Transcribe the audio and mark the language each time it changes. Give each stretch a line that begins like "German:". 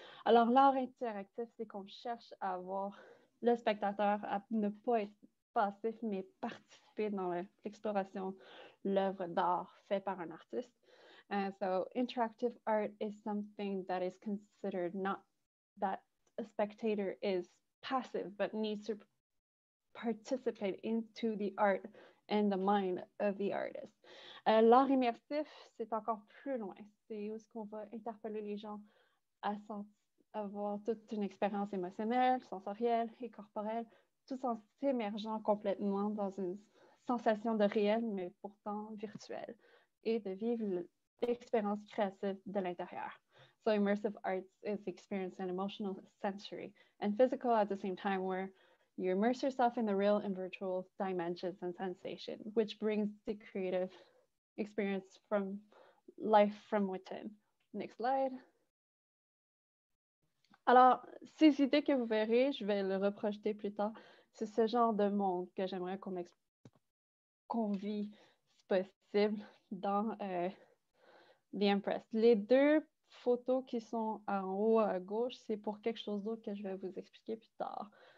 French: Alors, l'art interactif, c'est qu'on cherche à avoir le spectateur à ne pas être passif, mais participer dans l'exploration de l'œuvre d'art faite par un artiste.
English: So interactive art is something that is considered not that a spectator is passive, but needs to participate into the art and the mind of the artist.
French: L'art immersif, c'est encore plus loin. C'est où est-ce qu'on va interpeller les gens à avoir toute une expérience émotionnelle, sensorielle et corporelle, tout en s'émergeant complètement dans une sensation de réel, mais pourtant virtuelle, et de vivre l'expérience créative de l'intérieur.
English: So immersive arts is experience an emotional, sensory, and physical at the same time, where you immerse yourself in the real and virtual dimensions and sensation, which brings the creative experience from life from within. Next slide.
French: Alors, ces idées que vous verrez, je vais le reprojeter plus tard. C'est ce genre de monde que j'aimerais qu'on vit, si possible, dans The Empress. Les deux photos qui sont en haut à gauche, c'est pour quelque chose d'autre que je vais vous expliquer plus tard.